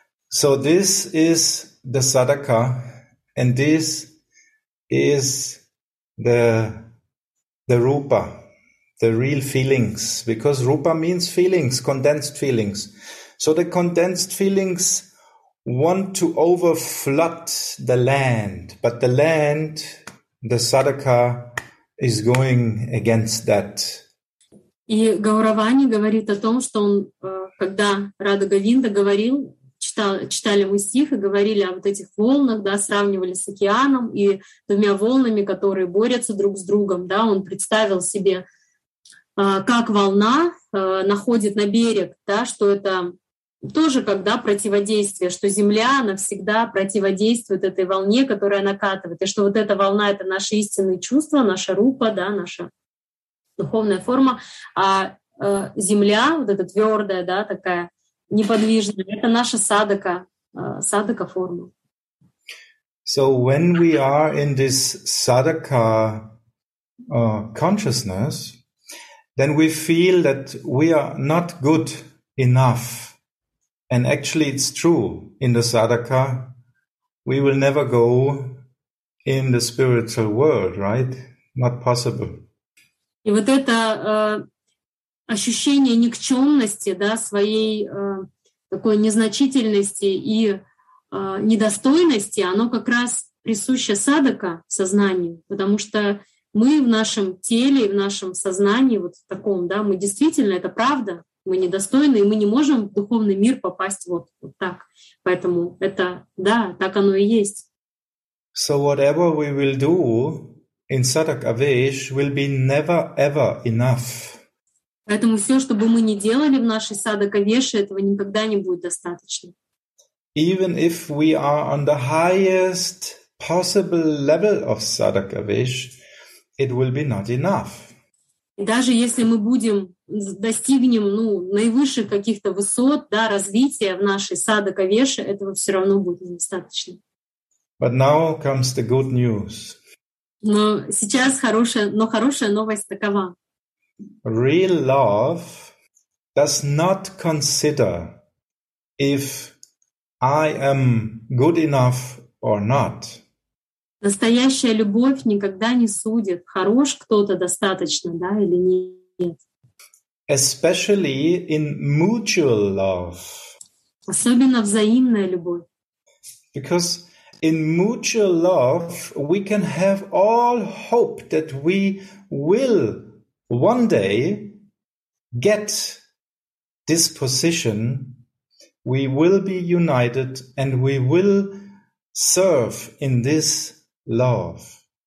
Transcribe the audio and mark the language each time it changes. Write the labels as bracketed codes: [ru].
[en] So this is the sadaka, and this is the rupa, the real feelings. Because rupa means feelings, condensed feelings. So the condensed feelings want to overflood the land, but the land, the sadaka, is going against that. [ru] И Гауравани говорит о том, что он, когда Радха Говинда говорил, читали мы стих и говорили о вот этих волнах, да, сравнивали с океаном и двумя волнами, которые борются друг с другом, да, он представил себе, как волна находит на берег, да, что это тоже когда противодействие, что земля, она всегда противодействует этой волне, которая накатывает, и что вот эта волна — это наши истинные чувства, наша рупа, да, наша духовная форма, а земля, вот эта твердая, да, такая неподвижная, это наша садака, садака форма. [en] So when we are in this садака consciousness, then we feel that we are not good enough. And actually, it's true. In the sadaka, we will never go in the spiritual world, right? Not possible. [ru] И вот это ощущение никчемности, да, своей такой незначительности и недостойности, оно как раз присуще садака сознанию, потому что мы в нашем теле, в нашем сознании, вот в таком, да, мы действительно, это правда, мы недостойны, и мы не можем в духовный мир попасть вот, вот так. Поэтому это, да, так оно и есть. [en] So whatever we will do in Sadak Avesh will be never ever enough. [ru] Поэтому все, что бы мы ни делали в нашей Sadak Avesh, этого никогда не будет достаточно. [en] Even if we are on the highest possible level of Sadak Avesh, it will be not enough. [ru] Даже если мы будем достигнем, ну, наивысших каких-то высот, да, развития в нашей Sadak Avesh, этого все равно будет недостаточно. [en] But now comes the good news. [ru] Но сейчас хорошая новость такова. [en] Real love does not consider if I am good enough or not. [ru] Настоящая любовь никогда не судит, хорош кто-то достаточно, да, или нет. [en] Especially in mutual love. [ru] Особенно взаимная любовь. [en] Because in mutual love we can have all hope that we will one day get this position, we will be united and we will serve in this love.